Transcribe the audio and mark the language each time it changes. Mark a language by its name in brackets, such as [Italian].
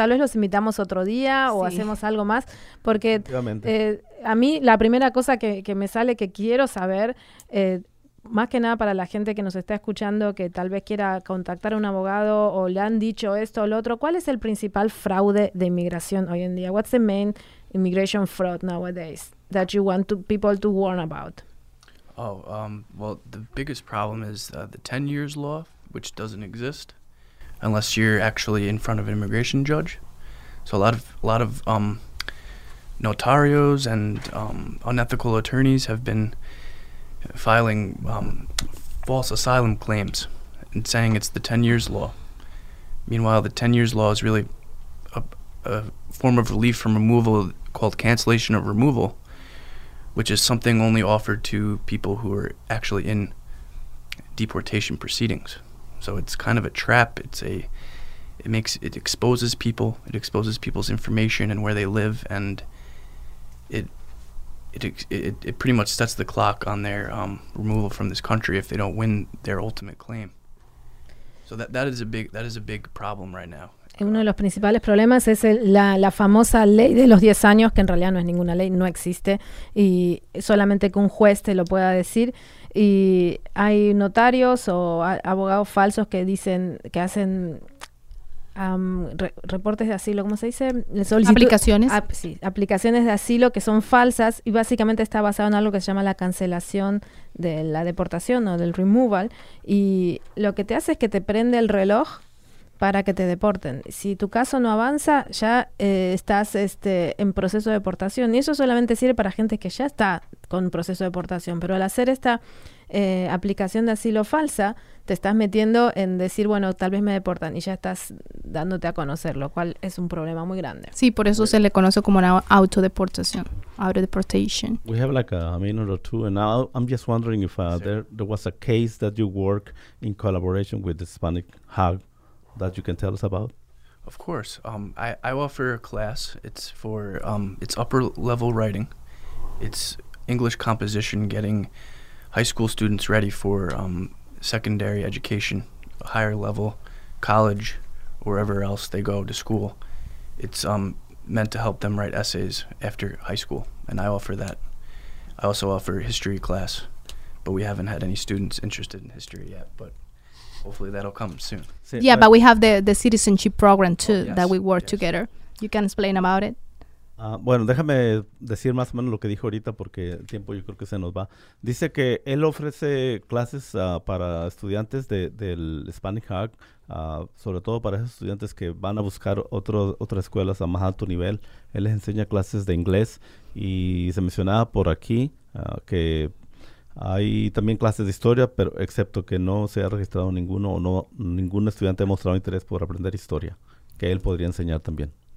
[Spanish] Tal vez los invitamos otro día o hacemos algo más. Porque a mí la primera cosa que me sale que quiero saber, más que nada para la gente que nos está escuchando que tal vez quiera contactar a un abogado o le han dicho esto o lo otro, ¿cuál es el principal fraude de inmigración hoy en día? [English] What's the main immigration fraud nowadays that you want people to warn about? Well, the biggest problem is the 10 years law, which doesn't exist unless you're actually in front of an immigration judge. So a lot of notarios and unethical attorneys have been filing false asylum claims and saying it's the 10 years law. Meanwhile, the 10 years law is really a form of relief from removal called cancellation of removal, which is something only offered to people who are actually in deportation proceedings. So it's kind of a trap. It exposes people's information and where they live, and it pretty much sets the clock on their removal from this country if they don't win their ultimate claim. So that is a big problem right now. [Spanish] Uno de los principales problemas es la famosa ley de los 10 años, que en realidad no es ninguna ley, no existe, y solamente que un juez te lo pueda decir. Y hay notarios o abogados falsos que dicen, que hacen reportes de asilo, ¿cómo se dice? Aplicaciones. Aplicaciones de asilo que son falsas, y básicamente está basado en algo que se llama la cancelación de la deportación o del removal, y lo que te hace es que te prende el reloj para que te deporten. Si tu caso no avanza, ya estás en proceso de deportación. Y eso solamente sirve para gente que ya está con proceso de deportación. Pero al hacer esta aplicación de asilo falsa, te estás metiendo en decir, bueno, tal vez me deportan, y ya estás dándote a conocer, lo cual es un problema muy grande. Sí, por eso se le conoce como una autodeportación. [English] Autodeportation. We have like a minute or two, and I'm just wondering if there was a case that you work in collaboration with the Hispanic Hub that you can tell us about? Of course. I offer a class. It's for it's upper level writing. It's English composition, getting high school students ready for secondary education, higher level, college, wherever else they go to school. It's meant to help them write essays after high school, and I offer that. I also offer history class, but we haven't had any students interested in history yet, but hopefully that'll come soon. Yeah, but we have the citizenship program too. Yes, that we work together. You can explain about it. [Spanish] Bueno, déjame decir más o menos lo que dijo ahorita porque el tiempo yo creo que se nos va. Dice que él ofrece clases para estudiantes del Hispanic Hub, sobre todo para esos estudiantes que van a buscar otras escuelas a más alto nivel. Él les enseña clases de inglés, y se mencionaba por aquí que hay también clases de historia, pero excepto que no se ha registrado ninguno o no ningún estudiante ha mostrado interés por aprender historia, que él podría enseñar también.